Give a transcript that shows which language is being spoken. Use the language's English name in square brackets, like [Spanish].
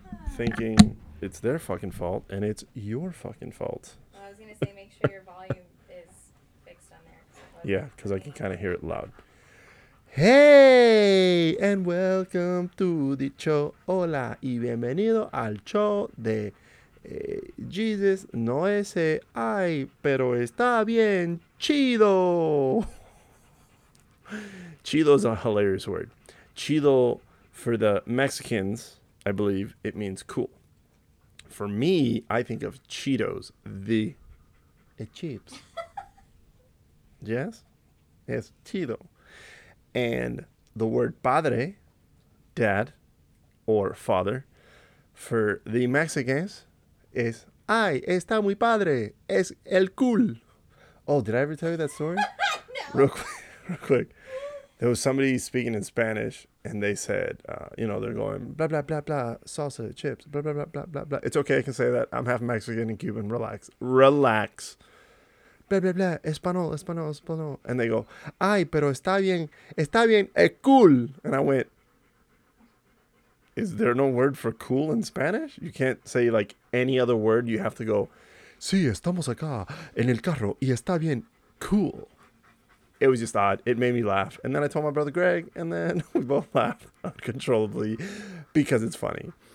[English] Thinking it's their fucking fault, and it's your fucking fault. Well, I was going to say, make sure your volume is fixed on there. Yeah, because I can kind of hear it loud. Hey, and welcome to the show. [Spanish] Hola, y bienvenido al show de Jesus. No ese, ay, pero está bien, chido. [English] Chido is a hilarious word. Chido, for the Mexicans, I believe, it means cool. For me, I think of Cheetos, the chips. Yes? Yes, chido. And the word padre, dad, or father, for the Mexicans, is, [Spanish] ay, está muy padre, es el cool. [English] Oh, did I ever tell you that story? No. Real quick. There was somebody speaking in Spanish, and they said, they're going, blah, blah, blah, blah, salsa, chips, blah, blah, blah, blah, blah, blah. It's okay, I can say that. I'm half Mexican and Cuban. Relax. Blah, blah, blah, español. And they go, [Spanish] ay, pero está bien, es cool. [English] And I went, is there no word for cool in Spanish? You can't say like any other word. You have to go, [Spanish] sí, estamos acá en el carro y está bien cool. [English] It was just odd. It made me laugh. And then I told my brother Greg, and then we both laughed uncontrollably because it's funny.